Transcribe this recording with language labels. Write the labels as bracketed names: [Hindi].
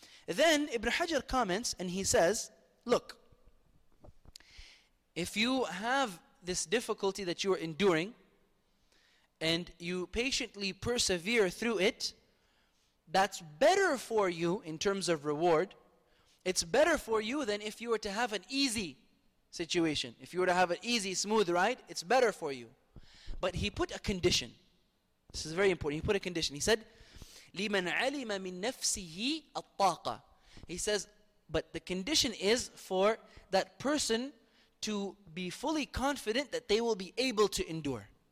[English] Then Ibn Hajar comments and he says, look, if you have this difficulty that you are enduring, and you patiently persevere through it, that's better for you in terms of reward. It's better for you than if you were to have an easy situation. If you were to have an easy, smooth ride, it's better for you. But he put a condition. This is very important. He put a condition. He said, [Arabic] لِمَنْ عَلِمَ مِنْ نَفْسِهِ الطَّاقَةِ. [English] He says, but the condition is for that person to be fully confident that they will be able to endure.